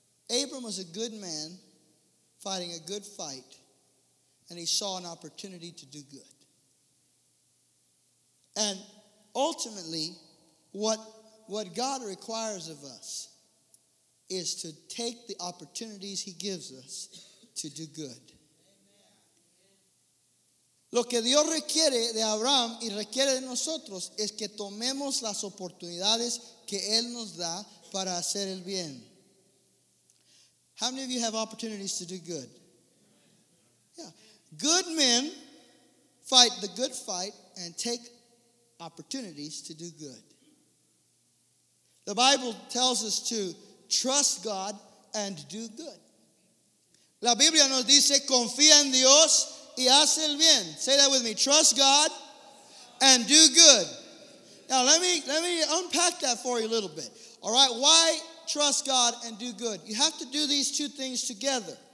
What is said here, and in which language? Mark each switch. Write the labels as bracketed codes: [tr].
[en] Abram was a good man fighting a good fight, and he saw an opportunity to do good. And ultimately, what God requires of us is to take the opportunities he gives us to do good. [es] Lo que Dios requiere de Abraham y requiere de nosotros es que tomemos las oportunidades que Él nos da para hacer el bien. [en] How many of you have opportunities to do good? Yeah. Good men fight the good fight and take opportunities to do good. The Bible tells us to trust God and do good. [es] La Biblia nos dice, confía en Dios y haz el bien. [en] Say that with me. Trust God and do good. Now, let me unpack that for you a little bit. All right, why trust God and do good? You have to do these two things together.